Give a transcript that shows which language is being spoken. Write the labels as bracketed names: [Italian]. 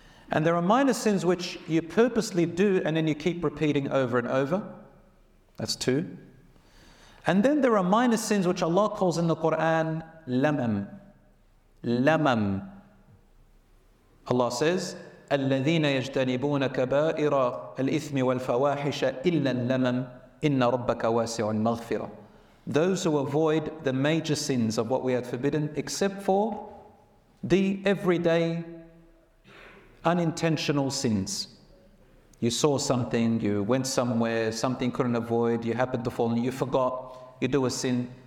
[English] And there are minor sins which you purposely do and then you keep repeating over and over. That's two. And then there are minor sins which Allah calls in the Quran, lamam. Lamam. Allah says, [Arabic] الذين يجتنبون كبائر الإثم والفواحش إلا اللمم إن ربك واسع المغفرة. [English] Those who avoid the major sins of what we had forbidden, except for the everyday unintentional sins. You saw something, you went somewhere, something couldn't avoid, you happened to fall, you forgot, you do a sin.